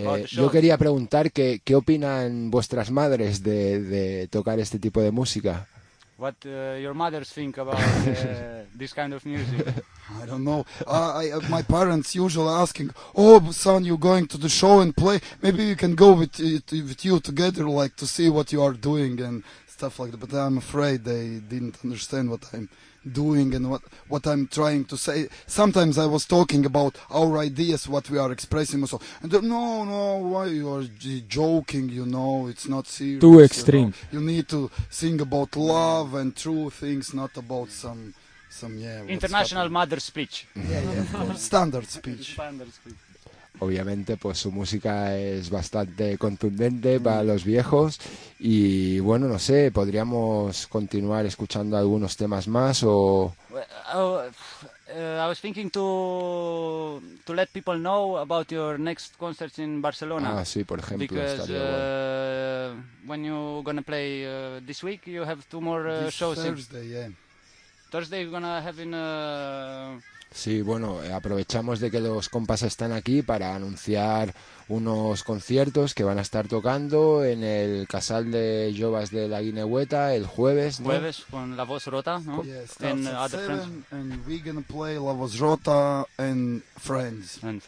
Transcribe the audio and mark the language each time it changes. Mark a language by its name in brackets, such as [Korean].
[Spanish] yo quería preguntar qué opinan vuestras madres de tocar este tipo de música. [English] What your mothers think about this kind of music? I don't know. My parents usually asking, "Oh, son, you going to the show and play? Maybe you can go with you together, like to see what you are doing and stuff like that." But I'm afraid they didn't understand what I'm doing and what I'm trying to say. Sometimes I was talking about our ideas, what we are expressing, so, and no, why you are joking, you know, it's not serious. Too extreme. You know? You need to sing about love and true things, not about some yeah. International mother speech. Yeah, Standard speech. [Spanish] Obviamente, pues su música es bastante contundente para los viejos. Y bueno, no sé, podríamos continuar escuchando algunos temas más o... [English] I was thinking to let people know about your next concerts in Barcelona. [Spanish] Ah, sí, por ejemplo. [English] Because when you gonna play this week, you have two more shows. Thursday you're gonna have in... [Spanish] Sí, bueno, aprovechamos de que los compas están aquí para anunciar unos conciertos que van a estar tocando en el Casal de Jovas de la Guinehueta el jueves, ¿no? Jueves con La Voz Rota, ¿no? [English] And we're gonna play La Voz Rota and Friends.